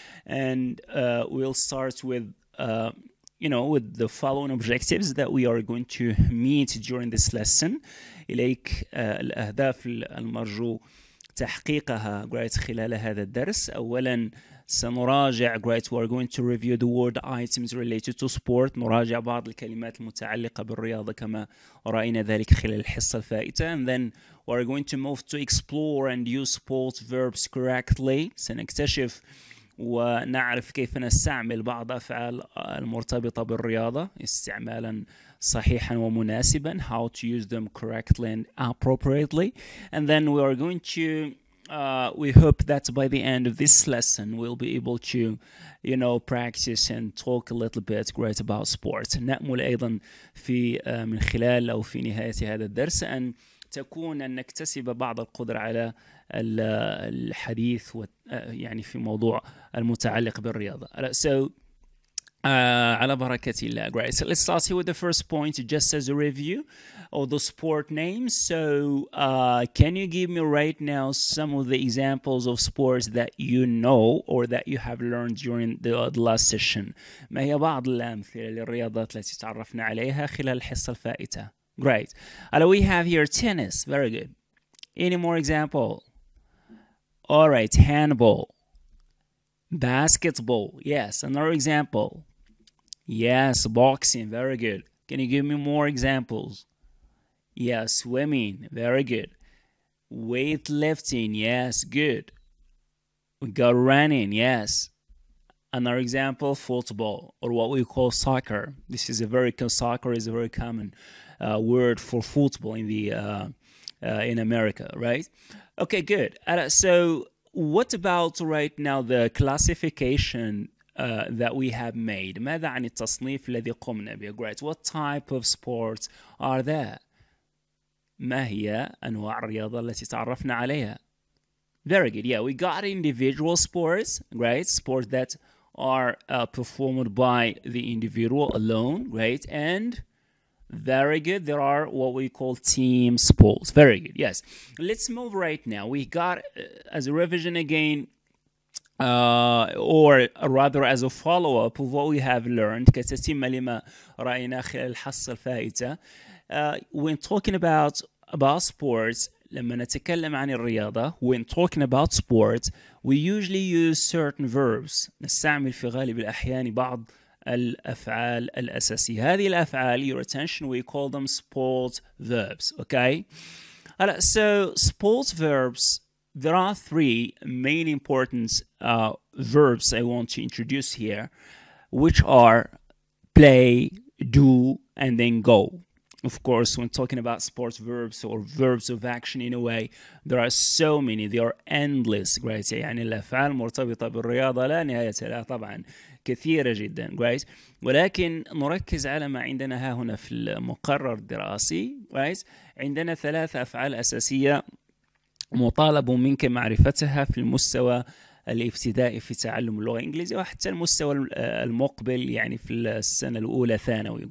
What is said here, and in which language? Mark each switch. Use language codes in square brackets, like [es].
[en] And we'll start with, you know, with the following objectives that we are going to meet during this lesson. [ar] إليك الأهداف المرجو تحقيقها خلال هذا الدرس. أولاً سنراجع, [en] great, we are going to review the word items related to sport. [ar] نراجع بعض الكلمات المتعلقة بالرياضة كما رأينا ذلك خلال الحصة الفائتة. [en] And then we are going to move to explore and use sport verbs correctly. [ar] سنكتشف ونعرف كيف نستعمل بعض أفعال المرتبطة بالرياضة استعمالا صحيحا ومناسبا. [en] How to use them correctly and appropriately. And then we are going to we hope that by the end of this lesson, we'll be able to, you know, practice and talk a little bit great about sports. [ar] نأمل أيضا في من خلال أو في نهاية هذا الدرس أن تكون أن نكتسب بعض القدرة على الحديث يعني في موضوع المتعلق بالرياضة. So, على بركة الله. [en] Great. So let's start here with the first point, just as a review of the sport names. So can you give me right now some of the examples of sports that you know or that you have learned during the last session? [ar] ما هي بعض الأمثلة للرياضات التي تعرفنا عليها خلال الحصة الفائتة؟ Great. [en] Hello, we have here tennis. Very good. Any more example? All right, handball. Basketball. Yes, another example. Yes, boxing. Very good. Can you give me more examples? Yes, swimming. Very good. Weightlifting. Yes, good. We got running. Yes. Another example, football, or what we call soccer. This is a very, soccer is a very common word for football in the in America, right? Okay, good. So what about right now the classification that we have made? [ar] ماذا عن التصنيف الذي قمنا به؟ Great. [en] What type of sports are there? [ar] ما هي أنواع الرياضة التي تعرفنا عليها؟ [en] Very good. Yeah, we got individual sports, right? Sports that are performed by the individual alone, right? And very good. There are what we call team sports. Very good. Yes. Let's move right now. We got as a revision again, or rather as a follow-up of what we have learned. [ar] كتتم لما رأينا خلال الحصة الفائتة. [en] When talking about sports, [ar] لما نتكلم عن الرياضة, [en] when talking about sports, we usually use certain verbs. [ar] نستعمل في غالب الأحيان بعض الأفعال الأساسية. هذه الأفعال, [en] your attention, we call them sports verbs. Okay? So, sports verbs, there are three main important verbs I want to introduce here, which are play, do, and then go. Of course, when talking about sports verbs or verbs of action in a way, there are so many. They are endless. Great. [ar] يعني الأفعال مرتبطة بالرياضة لا نهاية لها طبعا كثيرة جدا. [en] Great. [ar] ولكن نركز على ما عندنا ها هنا في المقرر الدراسي. [en] Great. [ar] عندنا ثلاث أفعال أساسية مطالب منك معرفتها في المستوى الابتدائي في تعلم اللغة الإنجليزية وحتى المستوى المقبل يعني في السنة الأولى ثانوي.